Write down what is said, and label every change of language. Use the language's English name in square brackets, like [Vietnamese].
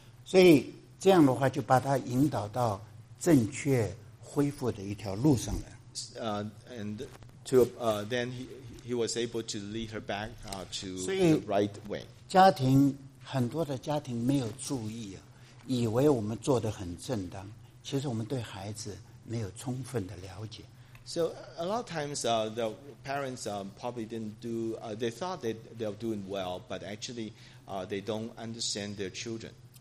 [Chinese] 所以这样的话就把她引导到正确恢复的一条路上来。 [English] And then he was able to lead her back to the right way. [Chinese] 家庭很多的家庭没有注意啊，以为我们做得很正当，其实我们对孩子没有充分的了解。 [English] So a lot of times the parents probably didn't do, they thought that they were doing well, but actually they don't understand their children.